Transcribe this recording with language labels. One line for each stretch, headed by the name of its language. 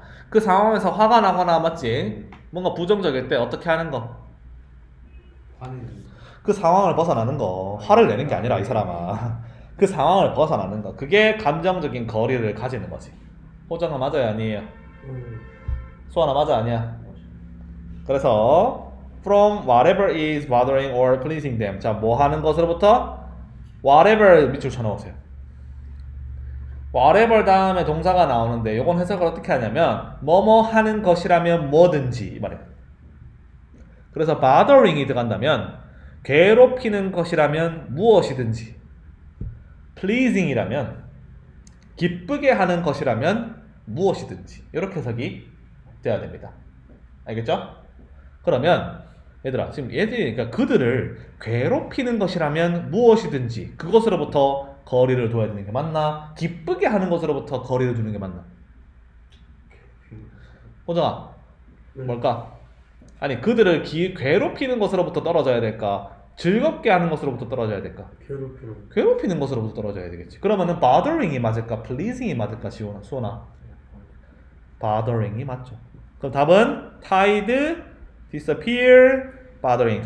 Korean: 그 상황에서 화가 나거나, 맞지? 뭔가 부정적일 때 어떻게 하는 거? 화내는 거. 그 상황을 벗어나는 거. 화를 내는 게 아니라, 이 사람아. 그 상황을 벗어나는 거. 그게 감정적인 거리를 가지는 거지. 호정아, 맞아요? 아니에요? 소환아, 맞아? 아니야?
English: 그래서 from whatever is bothering or pleasing them.
Korean: 자, 뭐 하는 것으로부터? whatever 밑줄 쳐놓으세요. whatever 다음에 동사가 나오는데 이건 해석을 어떻게 하냐면 뭐뭐 하는 것이라면 뭐든지 말이에요. 그래서 bothering이 들어간다면 괴롭히는 것이라면 무엇이든지, pleasing이라면 기쁘게 하는 것이라면 무엇이든지, 이렇게 해석이 돼야 됩니다. 알겠죠? 그러면 얘들아, 지금 얘들이, 그러니까 그들을 괴롭히는 것이라면 무엇이든지 그것으로부터 거리를 둬야 되는 게 맞나? 기쁘게 하는 것으로부터 거리를 두는 게 맞나? 호정아, 뭘까? 아니, 그들을 괴롭히는 것으로부터 떨어져야 될까? 즐겁게 하는 것으로부터 떨어져야 될까? 괴롭히는 것으로부터 떨어져야 되겠지. 그러면은 bothering이 맞을까? pleasing이 맞을까? 지원아, 수원아? bothering이 맞죠. 그럼 답은 tide, disappear, bothering.